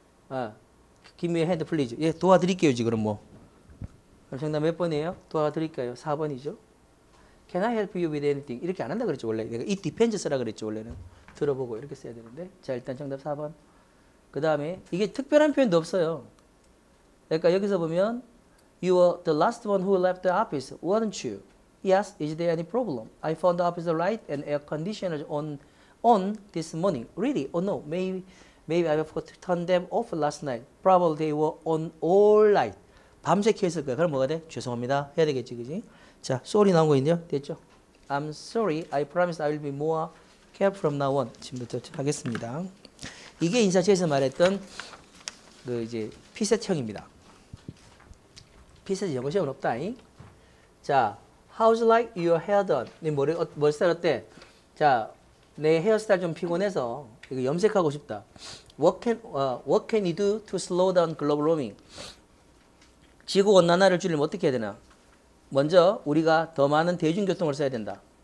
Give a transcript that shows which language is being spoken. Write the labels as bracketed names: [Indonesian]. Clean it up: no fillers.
[English] 아, give me a hand, please. [Korean] 예, 도와드릴게요, 지금 뭐. 그럼 정답 몇 번이에요? 도와드릴까요? 4번이죠. [English] Can I help you with anything? [Korean] 이렇게 안 한다 그랬죠, 원래. 내가 [English] it depends [Korean] 쓰라 그랬죠, 원래는. 들어보고 이렇게 써야 되는데. 자, 일단 정답 4번. 그 다음에, 이게 특별한 표현도 없어요. 그러니까 여기서 보면, [English] You are the last one who left the office, weren't you? Yes, is there any problem? I found the office light and air conditioners on this morning. Really? Oh no, maybe I forgot to turn them off last night. Probably they were on all night. [Korean] 밤새 켜 있을 거야. 그럼 뭐가 돼? 죄송합니다. 해야 되겠지, 그지? 자, sorry 나온 거 있네요. 됐죠? [English] I'm sorry. I promise I will be more careful from now on. [Korean] 지금부터 하겠습니다. 이게 인사체에서 말했던 그 이제 피셋형입니다. 피셋이 영어 시험은 없다잉. 자, [English] How's like your hair done? [Korean] 네 머리 머리스타일 어때? 자, 내 헤어스타일 좀 피곤해서 이거 염색하고 싶다. [English] What can you do to slow down global warming? [Korean] 지구 온난화를 줄이면 어떻게 해야 되나? 먼저 우리가 더 많은 대중교통을 써야 된다.